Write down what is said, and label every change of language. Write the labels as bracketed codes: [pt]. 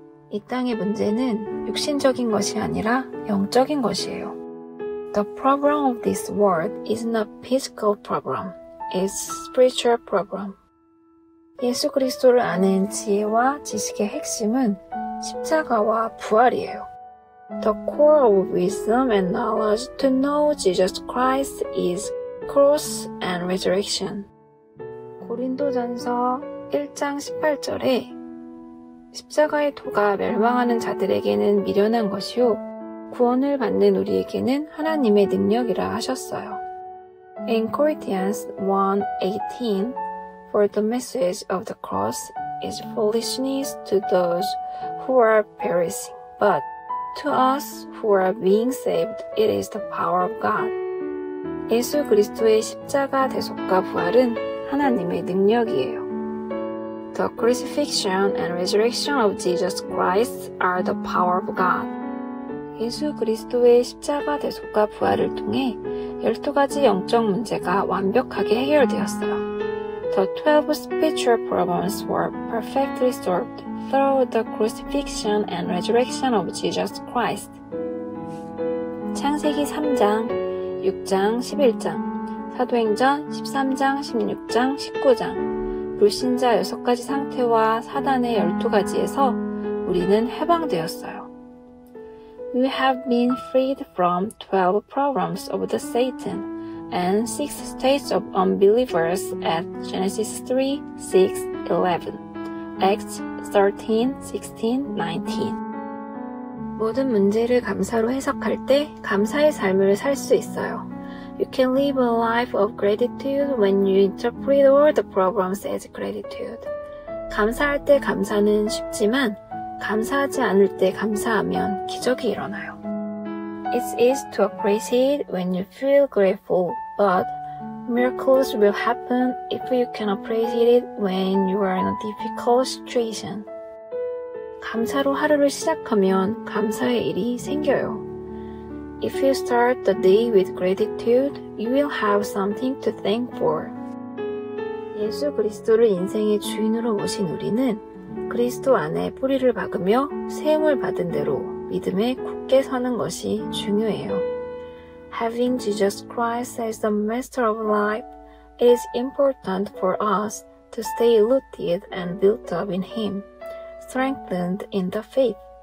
[ko] 이 땅의 문제는 육신적인 것이 아니라 영적인 것이에요. [en] The problem of this world is not a physical problem. It's a spiritual problem. [ko] 예수 그리스도를 아는 지혜와 지식의 핵심은 십자가와 부활이에요. [en] The core of wisdom and knowledge to know Jesus Christ is cross and resurrection. [ko] 고린도전서 1장 18절에 십자가의 도가 멸망하는 자들에게는 미련한 것이요 구원을 받는 우리에게는 하나님의 능력이라 하셨어요. [en] In Corinthians 1:18, For the message of the cross is foolishness to those who are perishing, but to us who are being saved, it is the power of God. [ko] 예수 그리스도의 십자가 대속과 부활은 하나님의 능력이에요. [en] The crucifixion and resurrection of Jesus Christ are the power of God. [ko] 예수 그리스도의 십자가 대속과 부활을 통해 12가지 영적 문제가 완벽하게 해결되었어요. [en] The 12 spiritual problems were perfectly solved through the crucifixion and resurrection of Jesus Christ. [ko] 창세기 3장, 6장, 11장, 사도행전 13장, 16장, 19장, 불신자 6가지 상태와 사단의 12가지에서 우리는 해방되었어요. [en] We have been freed from 12 problems of the Satan and 6 states of unbelievers at Genesis 3, 6, 11, Acts 13, 16, 19. [ko] 모든 문제를 감사로 해석할 때 감사의 삶을 살 수 있어요. [en] You can live a life of gratitude when you interpret all the problems as gratitude. [ko] 감사할 때 감사는 쉽지만 감사하지 않을 때 감사하면 기적이 일어나요. [en] It's easy to appreciate when you feel grateful, but miracles will happen if you can appreciate it when you are in a difficult situation. [ko] 감사로 하루를 시작하면 감사의 일이 생겨요. [en] If you start the day with gratitude, you will have something to thank for. [ko] 예수 그리스도를 인생의 주인으로 모신 우리는 그리스도 안에 뿌리를 박으며 세움을 받은 대로 믿음에 굳게 서는 것이 중요해요. [en] Having Jesus Christ as the master of life, it is important for us to stay rooted and built up in Him, strengthened in the faith.